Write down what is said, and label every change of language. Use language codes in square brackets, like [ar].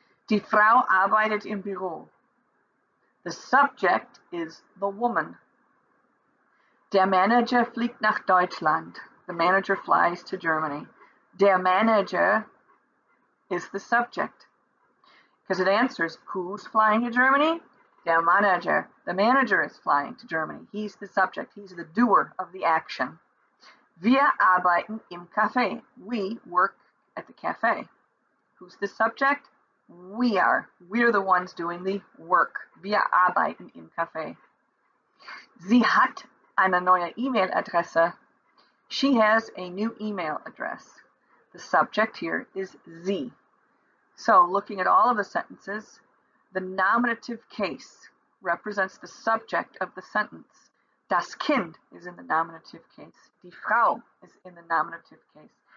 [de] Die Frau arbeitet im Büro. [en] The subject is the woman. [de] Der Manager fliegt nach Deutschland. [en] The manager flies to Germany. Der Manager is the subject because it answers who's flying to Germany? Der Manager. The manager is flying to Germany. He's the subject. He's the doer of the action. [de] Wir arbeiten im Café. [en] We work at the café. Who's the subject? We are. We're the ones doing the work. [de] Wir arbeiten im Café. Sie hat eine neue E-Mail-Adresse. [en] She has a new email address. The subject here is sie. So, looking at all of the sentences, the nominative case represents the subject of the sentence. Das Kind is in the nominative case. Die Frau is in the nominative case.